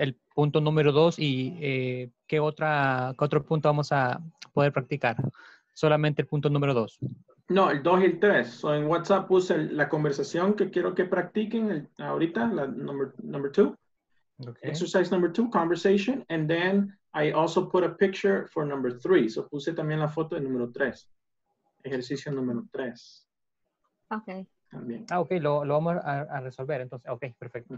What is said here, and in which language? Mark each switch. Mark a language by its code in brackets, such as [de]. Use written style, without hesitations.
[es] el punto número dos y qué otro punto vamos a poder practicar? Solamente el punto número dos. No, el dos y el tres. So en WhatsApp puse la conversación que quiero que practiquen ahorita, la [en] number two. Okay. Exercise number two, conversation. And then I also put a picture for number three. [es] So puse también la foto de número tres. Ejercicio número tres. [en] Okay. [es] También. Ah, okay, lo vamos a resolver, entonces, okay, perfecto.